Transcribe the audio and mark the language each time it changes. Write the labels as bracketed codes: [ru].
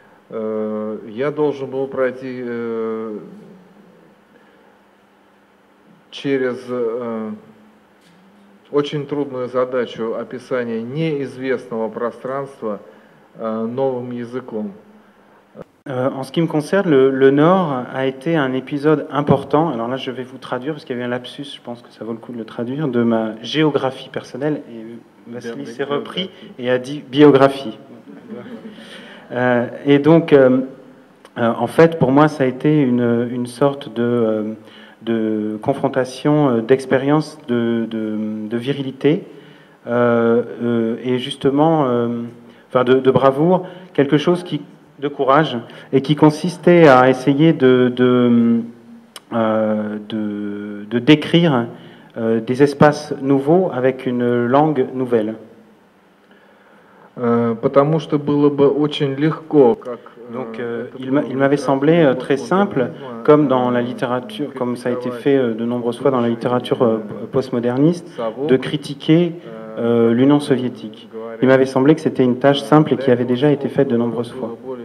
[ru] Я должен был пройти через очень трудную задачу описания неизвестного пространства новым языком. [fr] En ce qui me concerne, le Nord a été un épisode important. Alors là, je vais vous traduire, parce qu'il y avait un lapsus, je pense que ça vaut le coup de le traduire, de ma géographie personnelle. Et Vassili s'est repris et a dit biographie. Et donc, en fait, pour moi, ça a été une sorte de confrontation, d'expérience de virilité et justement enfin de bravoure, quelque chose qui de courage et qui consistait à essayer de décrire des espaces nouveaux avec une langue nouvelle. [ru] Потому что было бы очень легко, как [fr] Donc, il m'avait semblé très simple, comme dans la littérature, comme ça a été fait de nombreuses fois dans la littérature postmoderniste, de critiquer l'Union soviétique. Il m'avait semblé que c'était une tâche simple et qui avait déjà été faite de nombreuses fois.